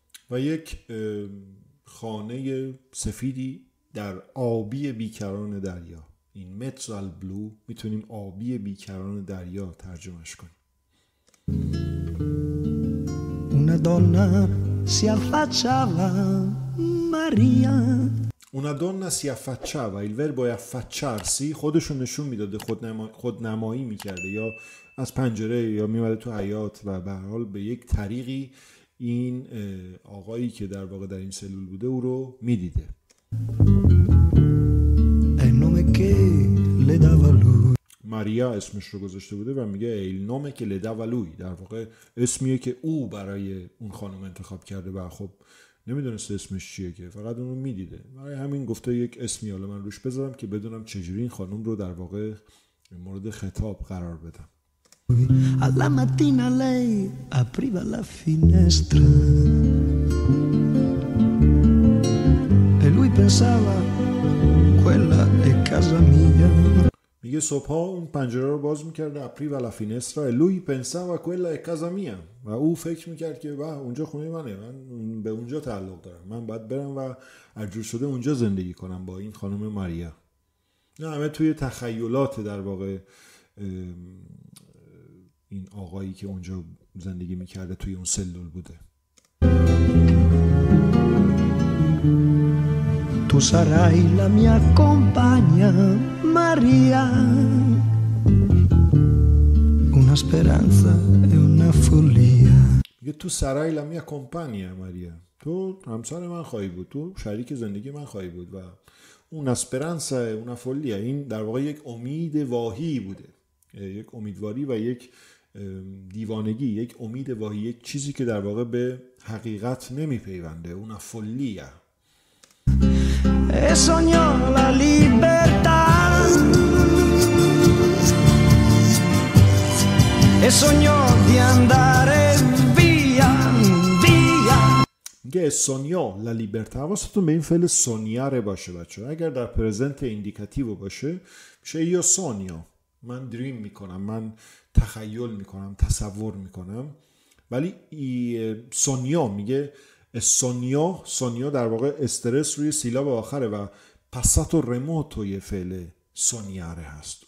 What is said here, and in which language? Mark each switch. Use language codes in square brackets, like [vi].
[fa] و یک خانه سفیدی در آبی بیکران دریا. این [it] mezzo al blu [fa] میتونیم آبی بیکران دریا ترجمهش کنیم. [it] una donna si affacciava Maria. Una donna si affacciava. Il verbo è affacciarsi. [fa] خودشو نشون میداده، خودنمایی میکرده، یا از پنجره یا میومده تو حیات و به هر حال به یک طریقی این آقایی که در واقع در این سلول بوده او رو میدیده. [it] il nome che le dava lui. [fa] ماریا اسمش رو گذاشته بوده و میگه [it] il nome che le dava lui، [fa] در واقع اسمیه که او برای اون خانم انتخاب کرده و خب نمیدونسته اسمش چیه که فقط اونو میدیده. برای همین گفته یک اسمی حالا من روش بذارم که بدونم چجوری این خانم رو در واقع مورد خطاب قرار بدم. [it] Alla mattina lei apriva la finestra e lui pensava quella è casa mia. [fa] میگه صبح ها اون پنجره رو باز میکرد، [it] اپری و لفینست را الوی پنسا و کلا اکازا میه، [fa] و او فکر میکرد که به اونجا خونه منه، من به اونجا تعلق دارم، من باید برم و عجور شده اونجا زندگی کنم با این خانم ماریا. نه همه توی تخیلات در واقع این آقایی که اونجا زندگی میکرده توی اون سلول بوده. [it] تو سرای لا میا کمپانیا Maria, una speranza e una follia. [fa] میگه تو سرای لا میا کمپانیا ماریا، تو همسر من خواهی بود، تو شریک زندگی من خواهی بود، و اون اسپرانسا اون فولیا، این در واقع یک امید واهی بوده، یک امیدواری و یک دیوانگی، یک امید واهی، یک چیزی که در واقع به حقیقت نمیپیونده، اون فولیا. [it] E sognò la libertà e sognò di andare via via. Che sognò la libertà. [fa] واسهتون به این فعل سونیاره باشه بچه، اگر در پرزنت ایندیکاتیو باشه میشه یو سونیو، من دریم میکنم، من تخیل میکنم، تصور میکنم. ولی سونیو میگه سونیو، سونیو در واقع استرس روی سیلاب آخره و پساتو رموتو یه فعل سونیاره هست.